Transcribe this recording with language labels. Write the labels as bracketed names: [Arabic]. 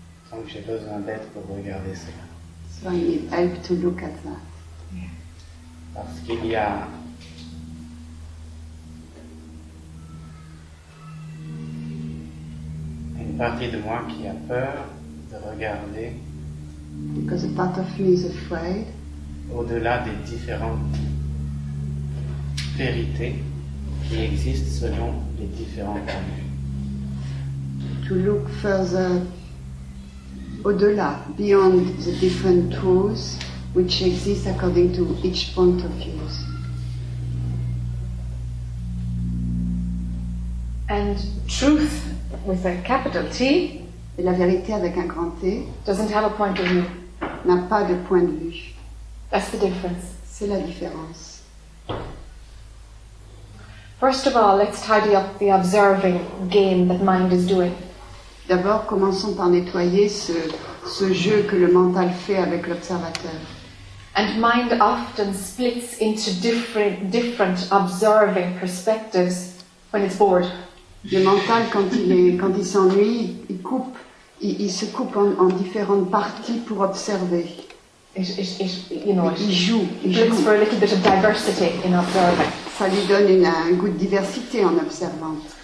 [French] Donc j'ai besoin d'aide pour regarder cela. [English] So I need help to look at that. [French] Parce qu'il y a une partie de moi qui a peur de regarder. [English] Because a part of me is afraid. [French] Au-delà des différentes vérités qui existent selon les différents points de vue. [English] To look further. [French] Au-delà, [English] beyond the different truths which exist according to each point of view. And truth with a capital T, [French] et la vérité avec un grand T, [English] doesn't have a point of view. [French] N'a pas de point de vue. [English] That's the difference. [French] C'est la différence. [English] First of all, let's tidy up the observing game that mind is doing. [French] D'abord, commençons par nettoyer ce jeu que le mental fait avec l'observateur. [English] And mind often splits into different observing perspectives when it's bored. [French] Le mental, quand il s'ennuie, il se coupe en différentes parties pour observer. [English] It looks for a little bit of diversity in observing. [French] Ça lui donne un goût de diversité en observant.